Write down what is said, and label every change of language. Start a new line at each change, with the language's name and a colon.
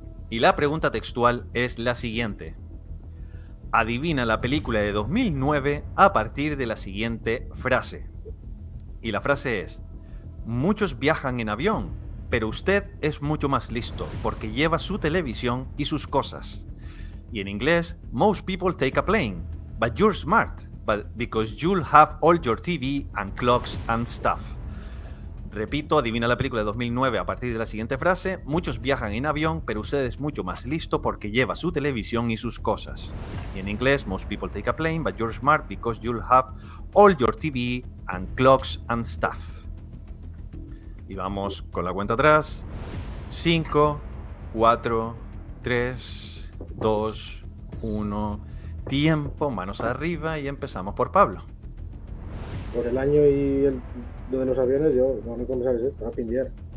Spanish: Y la pregunta textual es la siguiente. Adivina la película de 2009 a partir de la siguiente frase. Y la frase es: muchos viajan en avión, pero usted es mucho más listo porque lleva su televisión y sus cosas. Y en inglés,
English: most people take a plane, but you're smart, but because you'll have all your TV and clocks and stuff.
Spanish: Repito, adivina la película de 2009 a partir de la siguiente frase. Muchos viajan en avión, pero usted es mucho más listo porque lleva su televisión y sus cosas. Y en inglés,
English: most people take a plane, but you're smart because you'll have all your TV and clocks and stuff.
Spanish: Y vamos con la cuenta atrás. 5, 4, 3, 2, 1. Tiempo, manos arriba y empezamos por Pablo. Por el año y el de los aviones, yo no me comienzo a ver esto, a pindear.